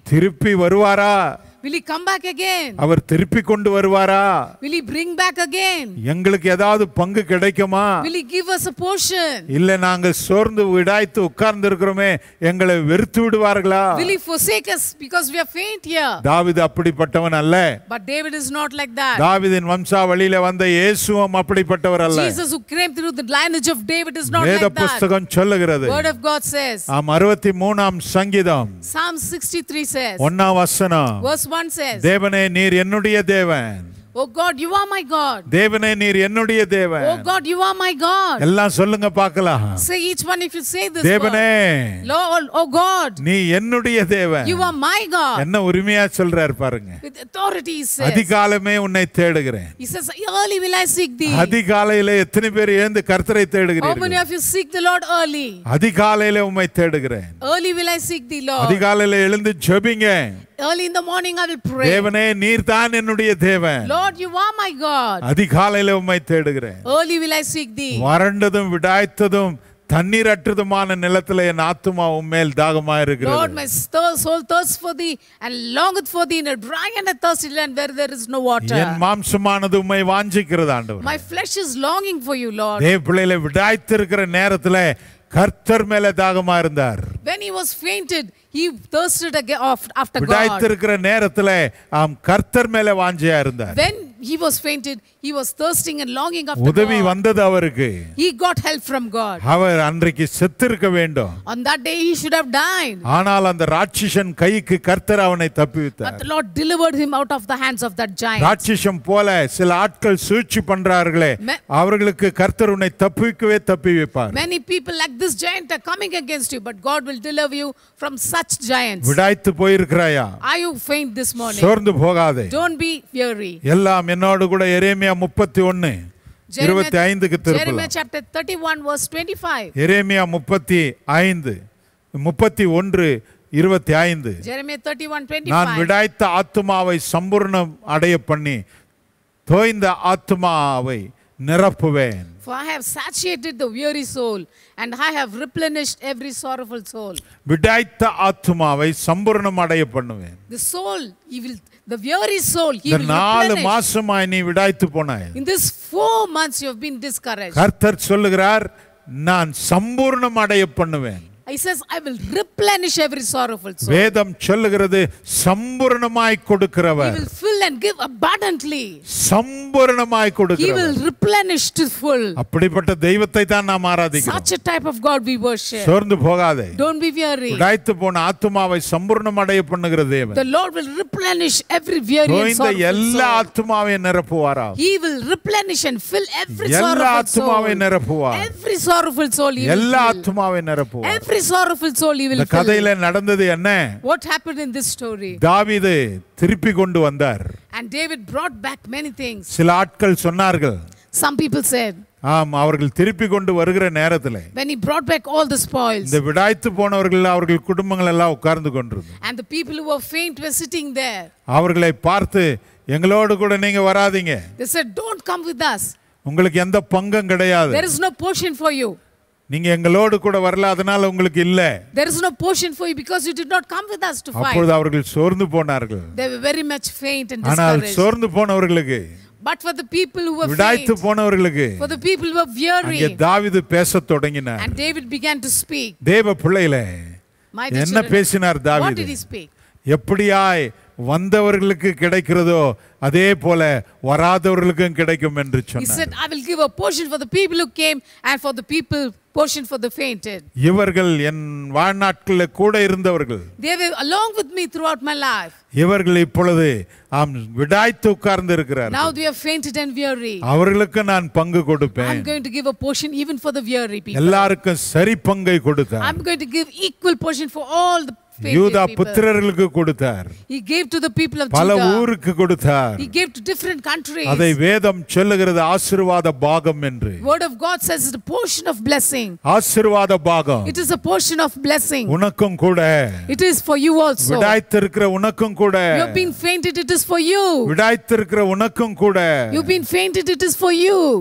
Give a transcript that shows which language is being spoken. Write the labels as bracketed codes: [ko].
[ta] திருப்பி வருவாரா? [en] Will he come back again? [ta] அவர் திருப்பி கொண்டு வருவாரா? [en] Will he bring back again? [ta] எங்களுக்கு ஏதாவது பங்கு கிடைக்குமா? [en] Will he give us a portion? [ta] இல்ல நாங்க சோர்ந்து விடாய்த்து உட்கார்ந்து இருக்கிறோமே எங்களை வெறுத்து விடுவார்களா? [en] Will he forsake us because we are faint here? [ta] தாவீது அப்படிப்பட்டவன் அல்ல. [en] But David is not like that. [ta] தாவீதின் வம்சாவளியில வந்த இயேசுவும் அப்படிப்பட்டவர் அல்ல. [en] Jesus who came through the lineage of David is not like that. [ta] வேத புத்தகம் சொல்லுகிறது. [en] Word of God says. [ta] ஆம் 63 ஆம் சங்கீதம். [en] Psalm 63 says. [ta] 1வது வசனம். தேவனே நீர் என்னுடைய தேவன். [en] Oh God, you are my God. [ta] தேவனே நீர் என்னுடைய தேவன். [en] Oh God, you are my God. [ta] எல்லாம் சொல்லுங்க பார்க்கலாம். [en] Say each one if you say this. [ta] தேவனே. [en] Lord, oh God. [ta] நீ என்னுடைய தேவன். [en] You are my God. [ta] என்ன உரிமையா சொல்றாரு பாருங்க. [en] With authority he says. [ta] அதிகாலமே உன்னை தேடுகிறேன். [en] He says, early will I seek thee. [ta] அதிகாலையிலே எத்தனை பேர் எழுந்து கர்த்தரை தேடுகிறீர்கள்? [en] How many of you seek the Lord early? [ta] அதிகாலையிலே உம்மை தேடுகிறேன். [en] Early will I seek thee, Lord. [ta] அதிகாலையிலே எழுந்து ஜெபிங்க. [en] Early in the morning I will pray. [ta] தேவனே நீர் தான் என்னுடைய தேவன். [en] Lord you are my God. [ta] அதிகாலையிலே உம்மை தேடுகிறேன். [en] Early will I seek thee. [ta] வறண்டதும் விடாய்த்ததும் தண்ணீர் அற்றதுமான நிலத்திலே என் ஆத்துமா உம்மேல் தாகமாய் இருக்கிறது. [en] Lord my soul thirsts for thee and longeth for thee in a dry and a thirsty land where there is no water. [ta] என் மாம்சமானது உம்மை வாஞ்சிக்கிறது ஆண்டவரே. [en] My flesh is longing for you Lord. [ta] தேவ பிள்ளையிலே விடாய்த்திருக்கிற நேரத்திலே கர்த்தர் மேலே தாகமா இருந்தார். [en] When he was fainted he thirsted after God. [ta] விடாய்த்திருக்கிற நேரத்திலே ஆம் கர்த்தர் மேலே வாஞ்சையா இருந்தார். [en] When he was fainted he was thirsting and longing after God. [ta] உதவி வந்தது அவருக்கு. [en] He got help from God. [ta] அவர் அன்றைக்கு செத்திருக்க வேண்டும். [en] On that day he should have died. [ta] ஆனால் அந்த ராட்சசன் கைக்கு கர்த்தர் அவனை தப்புவித்தார். [en] But the Lord delivered him out of the hands of that giant. [ta] ராட்சசம் போல சில ஆட்கள் சூழ்ச்சி பண்றார்களே அவர்களுக்கு கர்த்தர் உன்னை தப்புவிக்கவே தப்புவிப்பார். [en] Many people like this giant are coming against you but God will deliver you from such giants. [ta] விடாய்த்து போயிருக்கிறாயா? [en] Are you faint this morning? [ta] சோர்ந்து போகாதே. [en] Don't be weary. [ta] எல்லாம் என்னோடு கூட எரேமியா 31:25 திருப்பலாம். [en] Jeremiah chapter 31 verse 25. [ta] எரேமியா 31:25. [en] Jeremiah 31:25. [ta] நான் விடாய்த்த ஆத்துமாவை சம்பூர்ணம் அடைய பண்ணி தோய்ந்த ஆத்துமாவை நிரப்புவேன். [en] For I have satiated the weary soul and I have replenished every sorrowful soul. [ta] விடாய்த்த ஆத்துமாவை சம்பூர்ணம் அடைய பண்ணுவேன். [en] The soul he will the weary soul he will replenish. [ta] நீ 4 மாசமாய் நீ விடாய்த்து போனாய். [en] In this 4 months you have been discouraged. [ta] கர்த்தர் சொல்லுகிறார் நான் சம்பூர்ணம் அடைய பண்ணுவேன். [en] He says I will replenish every sorrowful soul. [ta] வேதம் சொல்லுகிறது சம்பூர்ணமாய் கொடுக்கிறவர். [en] He will fill and give abundantly. [ta] சம்பூர்ணமாய் கொடுக்கிறவர். [en] He will replenish to full. [ta] அப்படிப்பட்ட தெய்வத்தை தான் நாம் ஆராதிக்கிறோம். [en] Such a type of God we worship. [ta] சோர்ந்து போகாதே. [en] Don't be weary. [ta] விடாய்த்து போன ஆத்துமாவை சம்பூர்ணம் அடைய பண்ணுகிற தேவன். [en] The Lord will replenish every weary soul. [ta] இந்த எல்லா ஆத்துமாவை நிரப்புவாரா? [en] He will replenish and fill every sorrowful soul. [ta] எல்லா ஆத்துமாவை நிரப்புவார். [en] Every sorrowful soul. [ta] எல்லா ஆத்துமாவை நிரப்புவார். [en] Every sorrowful soul he will fill. [ta] இந்த கதையில நடந்தது என்ன? [en] What happened in this story? [ta] தாவீது திருப்பி கொண்டு வந்தார். [en] And David brought back many things. [ta] சில ஆட்கள் சொன்னார்கள். [en] Some people said. [ta] ஆம் அவர்கள் திருப்பி கொண்டு வருகிற நேரத்தில் [en] When he brought back all the spoils. [ta] இந்த விடாய்த்து போனவர்கள் அவர்கள் குடும்பங்கள் எல்லாம் உட்கார்ந்து கொண்டிருந்தது. [en] And the people who were faint were sitting there. [ta] அவர்களை பார்த்து எங்களோடு கூட நீங்க வராதீங்க. [en] They said don't come with us. [ta] உங்களுக்கு எந்த பங்கும் கிடையாது. [en] There is no portion for you. [ta] நீங்க எங்களோடு கூட வரல அதனால உங்களுக்கு இல்ல. [en] There is no portion for you because you did not come with us to fight. [ta] அப்பொழுது அவர்கள் சோர்ந்து போனார்கள். [en] They were very much faint and discouraged. [ta] ஆனால் சோர்ந்து போனவர்களுக்கு [en] But for the people who were faint. [ta] விடாய்த்து போனவர்களுக்கு [en] For the people who were weary. [ta] அங்கே தாவீது பேசத் தொடங்கினார். [en] And David began to speak. [ta] தேவ பிள்ளையிலே என்ன பேசினார் தாவீது? [en] What did he speak? [ta] எப்படியாய் வந்தவர்களுக்கு கிடைக்கிறதோ அதே போல வராதவர்களுக்கும் கிடைக்கும் என்று சொன்னார். [en] He said I will give a portion for the people who came and for the people portion for the fainted. [ta] இவர்கள் என் வாழ்நாட்கள்ல கூட இருந்தவர்கள். [en] They were along with me throughout my life. [ta] இவர்கள் இப்பொழுது ஆம் விடாய்த்து உட்கார்ந்து இருக்கிறார். [en] Now they are fainted and weary. [ta] அவர்களுக்கு நான் பங்கு கொடுப்பேன். [en] I'm going to give a portion even for the weary people. [ta] எல்லாருக்கும் சரி பங்கை கொடுத்தேன். [en] I'm going to give equal portion for all the [ta] யூதா புத்திரர்களுக்கு கொடுத்தார். [en] He gave to the people of Judah. [ta] பல ஊருக்கு கொடுத்தார். [en] He gave to different countries. [ta] அதை வேதம் சொல்லுகிறது ஆசீர்வாத பாகம் என்று. [en] Word of God says it's a portion of blessing. [ta] ஆசீர்வாத பாகம். [en] It is a portion of blessing. [ta] உனக்கும் கூட. [en] It is for you also. [ta] விடாய்த்திருக்கிற உனக்கும் கூட. [en] You have been fainted, it is for you. [ta] விடாய்த்திருக்கிற உனக்கும் கூட. [en] You have been fainted, it is for you.